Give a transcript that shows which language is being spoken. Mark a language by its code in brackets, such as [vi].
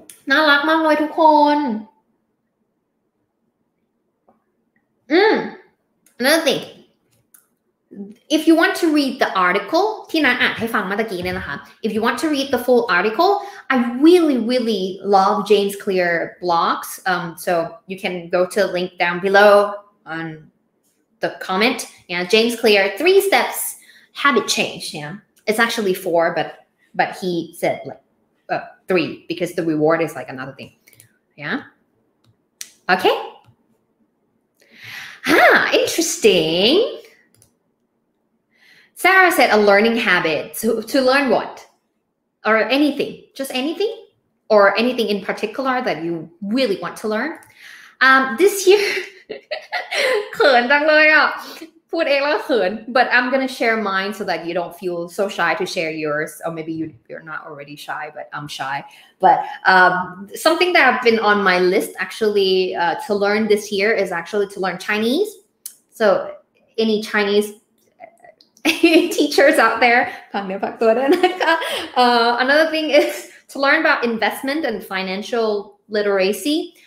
[th] น่ารักมากเลยทุกคน [en] Another thing. If you want to read the article, [th] ที่น้าอ่านให้ฟังเมื่อกี้เนี่ยนะคะ [en] If you want to read the full article, I really, really love James Clear blogs. So you can go to the link down below on the comment. Yeah, James Clear, 3 steps, habit change. Yeah, it's actually 4, but he said like 3 because the reward is like another thing. Yeah. Okay. Interesting. Sarah said a learning habit. To learn what? Or anything. Just anything? Or anything in particular that you really want to learn? This year... [th] เขินจังเลยอ่ะ พูดเองแล้วเขิน [en] But I'm gonna share mine so that you don't feel so shy to share yours. Or maybe you're not already shy, but I'm shy. But something that I've been on my list actually to learn this year is actually to learn Chinese. So, any Chinese teachers out there, another thing is to learn about investment and financial literacy.